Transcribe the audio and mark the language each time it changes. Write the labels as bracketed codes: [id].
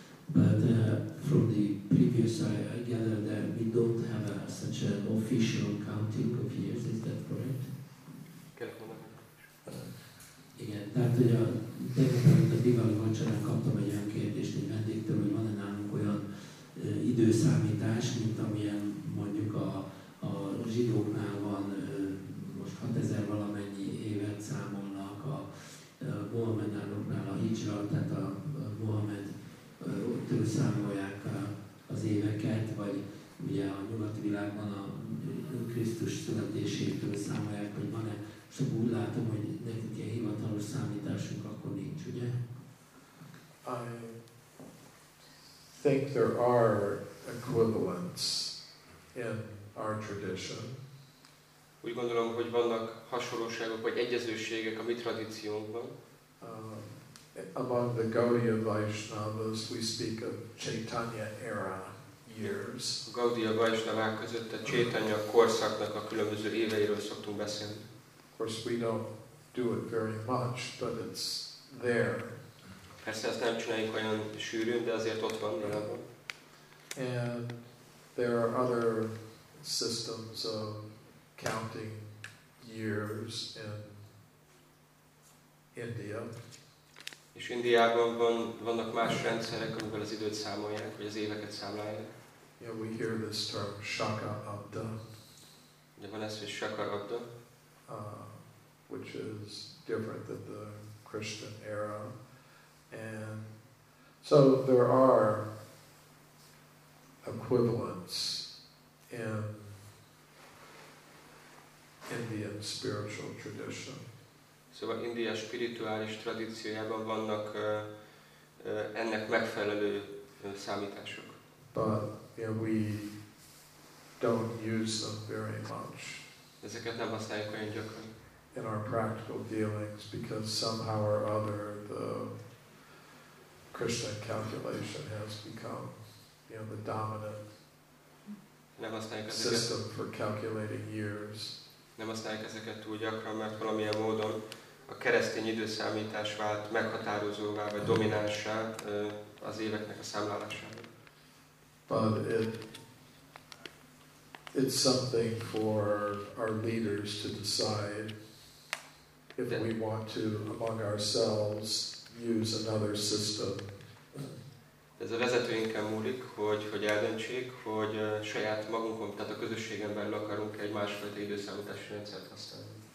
[en] But from the previous, I gather that we don't have such an official counting of years. Is that correct? [hu] Igen, tehát hogy a tegnap a Diwali vacsorán kaptam egy olyan kérdést egy vendégtől, hogy van-e nálunk olyan időszámítás, mint amilyen mondjuk a zsidóknál van. Most 6000 valamennyi évet számolnak a Mohamedánoknál a Hijra, tehát a Mohamed ottől számolják az éveket, vagy ugye a nyugati világban a Krisztus születésétől számolják, hogy van-e. Csak úgy látom, hogy nekik ilyen hivatalos számításunk akkor nincs, ugye? [en] I think there are equivalents in our tradition. [hu] Úgy gondolom, hogy vannak hasonlóságok vagy egyezőségek a mi tradíciónkban. [en] Among the Gaudiya Vaishnavas, we speak of Chaitanya era years. [hu] A Gaudiya Vaishnavák között a Chaitanya korszaknak a különböző éveiről szoktunk beszélni. [en] Of course, we don't do it very much, but it's there. [hu] Persze ezt nem csináljuk olyan sűrűn, de azért ott van. [en] And there are other systems of counting years in India. [hu] És Indiában vannak más rendszerek, amivel az időt számolják, vagy az éveket számolják. [en] Yeah, we hear this term, Shaka Abda. [hu] De van ez, hogy Shaka Abda? [en] Which is different than the Christian era. And so there are equivalents in Indian spiritual tradition. [hu] Szóval India spirituális tradíciójában vannak ennek megfelelő számítások. [en] But yeah, we don't use them very much. [hu] Ezeket nem használjuk olyan gyakran. [en] In our practical dealings, because somehow or other the Krishna calculation has become, you know, the dominant system for calculating years. [hu] Nem használjuk ezeket túl gyakran, mert valamilyen módon a keresztény időszámítás vált meghatározóvá, vagy dominánssá az éveknek a számlálásában. [en] But it's something for our leaders to decide if we want to among ourselves use another system. [hu] Ez a vezetőinkkel múlik, hogy eldöntsék, hogy saját magunkon, tehát a közösségen belül akarunk egy másfajta időszámítási rendszert használni.